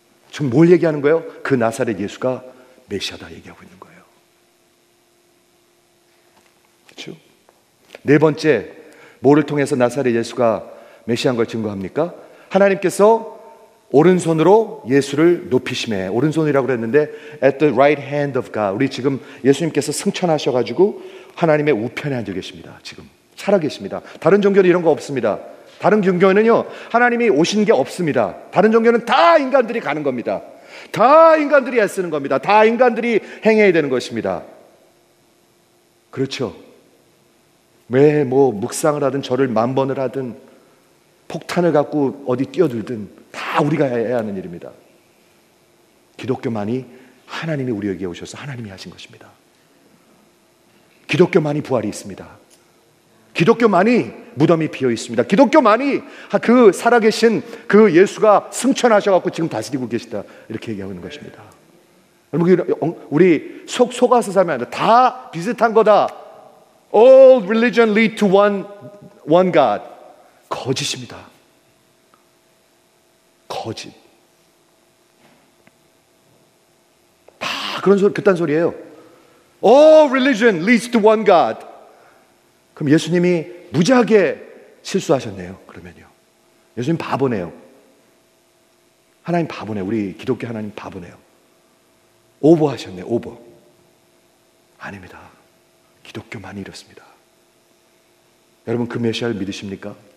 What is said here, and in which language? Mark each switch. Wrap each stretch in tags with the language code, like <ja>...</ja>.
<ko>지금 뭘 얘기하는 거예요? 그 나사렛 예수가 메시아다 얘기하고 있는 거예요. 그렇죠? 네 번째, 뭐를 통해서 나사렛 예수가 메시아인 걸 증거합니까? 하나님께서 오른손으로 예수를 높이시매. 오른손이라고 그랬는데</ko> <en>at the right hand of God.</en> <ko>우리 지금 예수님께서 승천하셔가지고 하나님의 우편에 앉아계십니다. 지금 살아계십니다. 다른 종교는 이런 거 없습니다. 다른 종교는요, 하나님이 오신 게 없습니다. 다른 종교는 다 인간들이 가는 겁니다. 다 인간들이 애쓰는 겁니다. 다 인간들이 행해야 되는 것입니다. 그렇죠? 왜 뭐 묵상을 하든 절을 만 번을 하든 폭탄을 갖고 어디 뛰어들든 다 우리가 해야 하는 일입니다. 기독교만이 하나님이 우리에게 오셔서 하나님이 하신 것입니다. 기독교만이 부활이 있습니다. 기독교만이 무덤이 비어 있습니다. 기독교만이 그 살아계신 그 예수가 승천하셔갖고 지금 다스리고 계시다 이렇게 얘기하고 있는 것입니다. 여러분, 우리 속아서 살면 안 돼. 다 비슷한 거다.</ko> <en>All religion lead to one God.</en> <ko>거짓입니다. 거짓. 다 그런 소리, 그딴 소리예요.</ko> <en>All religion leads to one God.</en> <ko>그럼 예수님이 무지하게 실수하셨네요. 그러면요, 예수님 바보네요. 하나님 바보네요. 우리 기독교 하나님 바보네요. 오버하셨네요. 오버. 아닙니다. 기독교만이 이렇습니다. 여러분 그 메시아를 믿으십니까?</ko>